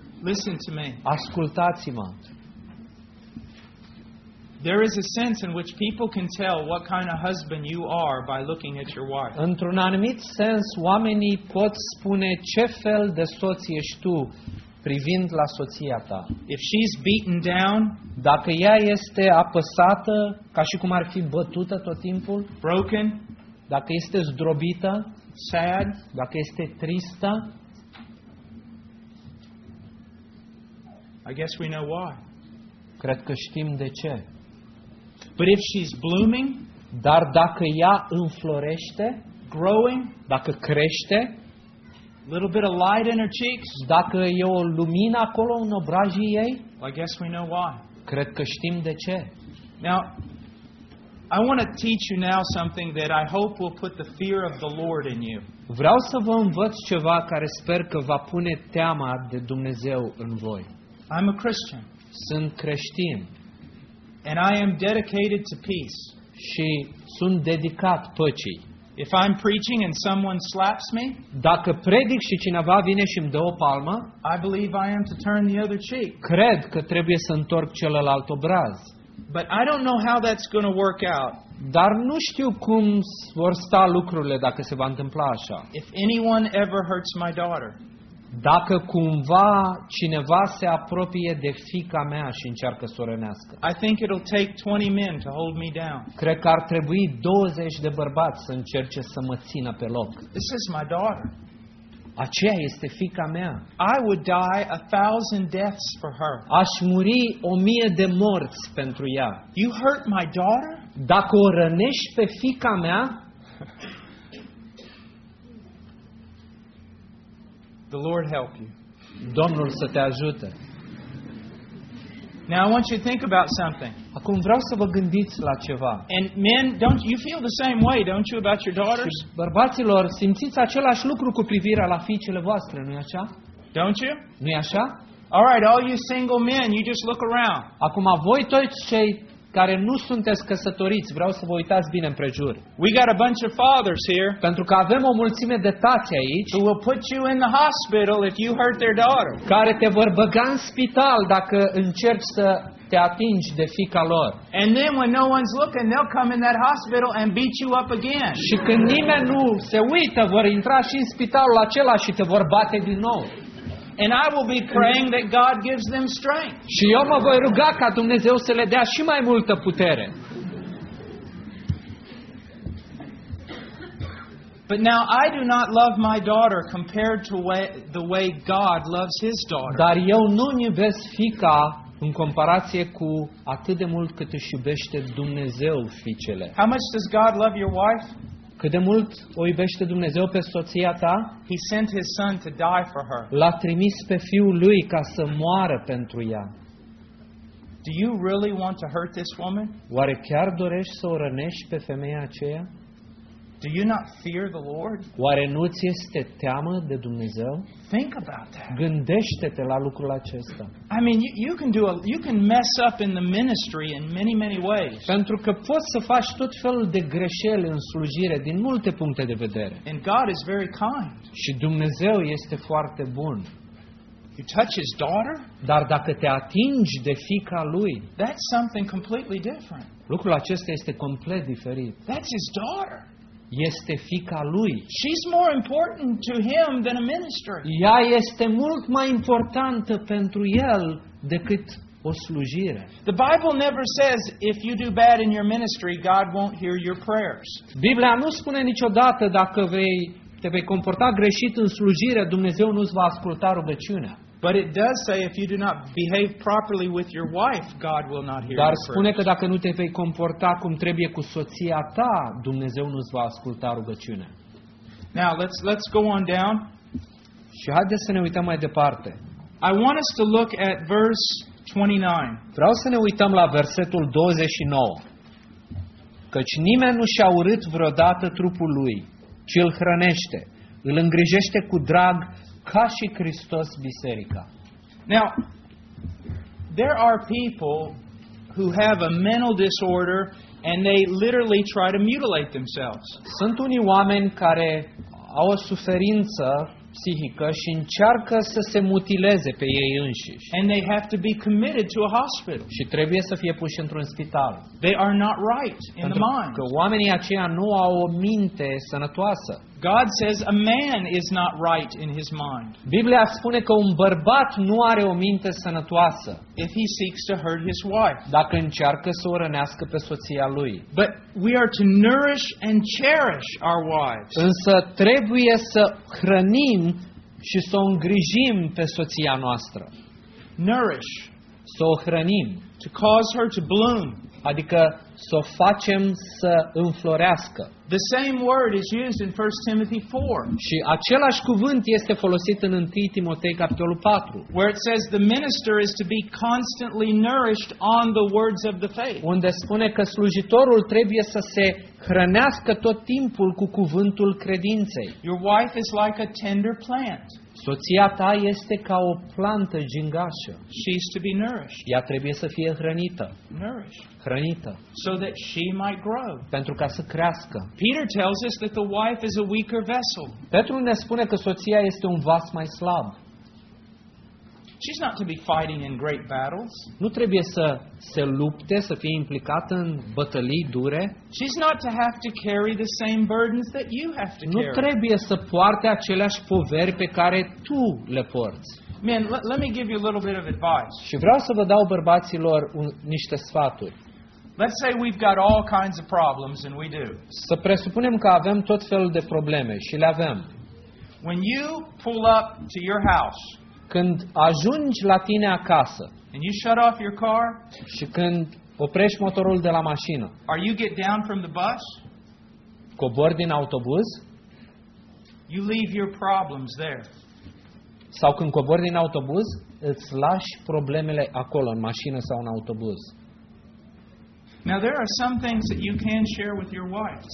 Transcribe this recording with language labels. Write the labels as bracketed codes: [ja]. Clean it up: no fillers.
[en] Listen to me. [ro] Ascultați-mă. [en] There is a sense in which people can tell what kind of husband you are by looking at your wife. [ro] Într-un anumit sens, oamenii pot spune ce fel de soț ești tu privind la soția ta. [en] If she's beaten down, [ro] dacă ea este apăsată, ca și cum ar fi bătută tot timpul, [en] broken, [ro] dacă este zdrobită, [en] sad, [ro] dacă este tristă, [en] I guess we know why. [ro] Cred că știm de ce. [en] But if she's blooming, [ro] dar dacă ea înflorește, [en] growing, [ro] dacă crește, [en] little bit of light in her cheeks, [ro] dacă e o lumină acolo în obrajii ei, [en] I guess we know why. [ro] Cred că știm de ce. [en] Now, I want to teach you now something that I hope will put the fear of the Lord in you. [ro] Vreau să vă învăț ceva care sper că va pune teama de Dumnezeu în voi. [en] I'm a Christian. [ro] Sunt creștin. [en] And I am dedicated to peace. [ro] Și sunt dedicat păcii. [en] If I'm preaching and someone slaps me, [ro] dacă predic și cineva vine și îmi dă o palmă, [en] I believe I am to turn the other cheek. [ro] Cred că trebuie să întorc celălalt obraz. [en] But I don't know how that's going to work out. [ro] Dar nu știu cum vor sta lucrurile dacă se va întâmpla așa. [en] If anyone ever hurts my daughter, [ro] dacă cumva cineva se apropie de fiica mea și încearcă să o rănească. [en] I think it'll take 20 men to hold me down. [ro] Cred că ar trebui 20 de bărbați să încerce să mă țină pe loc. [en] This is my daughter. [ro] Aceea este fiica mea. [en] I would die 1,000 deaths for her. [ro] Aș muri 1,000 de morți pentru ea. [en] You hurt my daughter? [ro] Dacă o rănești pe fiica mea, [en] the Lord help you. [ro] Domnul să te ajute. [en] Now I want you to think about something. [ro] Acum vreau să vă gândiți la ceva. [en] And men, don't you feel the same way, don't you, about your daughters? [ro] Bărbaților, simțiți același lucru cu privire la fiicele voastre, nu-i așa? [en] Don't you? [ro] Nu-i așa? [en] All right, all you single men, you just look around. [ro] Acum voi toți cei care nu sunteți căsătoriți, vreau să vă uitați bine împrejur. [en] We got a bunch of fathers here. [ro] Pentru că avem o mulțime de tați aici. [en] Who will put you in the hospital if you hurt their daughter? [ro] Care te vor băga în spital dacă încerci să te atingi de fiica lor. [en] And then when no one's looking, they'll come in that hospital and beat you up again. [ro] Și când nimeni nu se uită, vor intra și în spitalul acela și te vor bate din nou. [en] And I will be praying that God gives them strength. [ro] Și eu mă voi ruga ca Dumnezeu să le dea și mai multă putere. [en] But now I do not love my daughter compared to the way God loves his daughter. [ro] Dar eu nu iubesc fiica în comparație cu atât de mult cât își iubește Dumnezeu fiicele. [en] How much does God love your wife? [ro] Cât de mult o iubește Dumnezeu pe soția ta? [en] He sent his son to die for her. [ro] L-a trimis pe fiul lui ca să moară pentru ea. [en] Do you really want to hurt this woman? [ro] Oare chiar dorești să o rănești pe femeia aceea? [en] Do you not fear the Lord? [ro] Oare nu ți este teamă de Dumnezeu? [en] Think about that. [ro] Gândește-te la lucrul acesta. [en] I mean, you can mess up in the ministry in many, many ways. [ro] Pentru că poți să faci tot felul de greșeli în slujire din multe puncte de vedere. [en] And God is very kind. [ro] Și Dumnezeu este foarte bun. [en] You touch his daughter? [ro] Dar dacă te atingi de fiica lui, [en] that's something completely different. [ro] Lucrul acesta este complet diferit. [en] That's his daughter. [ro] Este fiica lui. [en] She's more important to him than a minister. [ro] Ea este mult mai importantă pentru el decât o slujire. [en] The Bible never says if you do bad in your ministry, God won't hear your prayers. [ro] Biblia nu spune niciodată dacă te vei comporta greșit în slujire, Dumnezeu nu-ți va asculta rugăciunea. [en] But it does say if you do not behave properly with your wife, God will not hear. [ro] Dar spune că dacă nu te vei comporta cum trebuie cu soția ta, Dumnezeu nu-ți va asculta rugăciunea. [en] Now let's go on down. [ro] Și haideți să ne uităm mai departe. [en] I want us to look at verse 29. [ro] Vreau să ne uităm la versetul 29. Căci nimeni nu și-a urât vreodată trupul lui, ci îl hrănește, îl îngrijește cu drag ca și Hristos biserica. [en] Now, there are people who have a mental disorder and they literally try to mutilate themselves. [ro] Sunt unii oameni care au o suferință psihică și încearcă să se mutileze pe ei înșiși. [en] And they have to be committed to a hospital. [ro] Și trebuie să fie puși într-un spital. [en] They are not right in the mind. [ro] Pentru că oamenii aceia nu au o minte sănătoasă. [en] God says a man is not right in his mind. [ro] Biblia spune că un bărbat nu are o minte sănătoasă. [en] If he seeks to hurt his wife. [ro] Dacă încearcă să o rănească pe soția lui. [en] But we are to nourish and cherish our wives. [ro] Însă trebuie să hrănim și să o îngrijim pe soția noastră. [en] Nourish. [ro] Să o hrănim. [en] To cause her to bloom. [ro] Adică să o facem să înflorească. [en] The same word is used in 1 Timothy 4. [ro] Și același cuvânt este folosit în 1 Timotei capitolul 4. [en] Where it says the minister is to be constantly nourished on the words of the faith. [ro] Unde spune că slujitorul trebuie să se hrănească tot timpul cu cuvântul credinței. [en] Your wife is like a tender plant. [ro] Soția ta este ca o plantă gingașă. [en] She's to be nourished. [ro] Ea trebuie să fie hrănită. [en] Nourished. [ro] Hrănită. [en] So that she might grow. [ro] Pentru ca să crească. [en] Peter tells us that the wife is a weaker vessel. [ro] Petru ne spune că soția este un vas mai slab. [en] She's not to be fighting in great battles. [ro] Nu trebuie să se lupte, să fie implicată în bătălii dure. [en] She's not to have to carry the same burdens that you have to carry. [ro] Nu trebuie să poarte aceleași poveri pe care tu le porți. [en] Men, let me give you a little bit of advice. [ro] Și vreau să vă dau bărbaților niște sfaturi. [en] Let's say we've got all kinds of problems and we do. [ro] Să presupunem că avem tot felul de probleme și le avem. [en] When you pull up to your house, [ro] când ajungi la tine acasă, [en] and you shut off your car, [ro] și când oprești motorul de la mașină, [en] or you get down from the bus, [ro] cobori din autobuz, [en] you leave your problems there. [ro] Sau când cobori din autobuz, îți lași problemele acolo în mașină sau în autobuz. [en] Now there are some things that you can share with your wife.